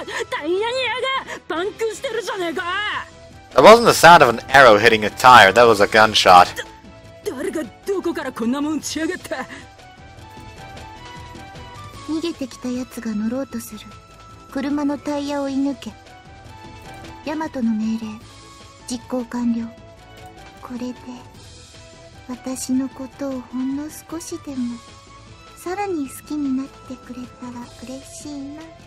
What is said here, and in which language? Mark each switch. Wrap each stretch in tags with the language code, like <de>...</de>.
<ja>タイヤにやがパンクしてるじゃねえか。</ja> <en>That wasn't the sound of an arrow hitting a tire, that was a gunshot.</en> <ja>誰がどこからこんなもん打ちやがった。逃げてきたやつが乗ろうとする。車のタイヤを射抜け。ヤマトの命令実行完了。これで私のことをほんの少しでもさらに好きになってくれたら嬉しいな。</ja>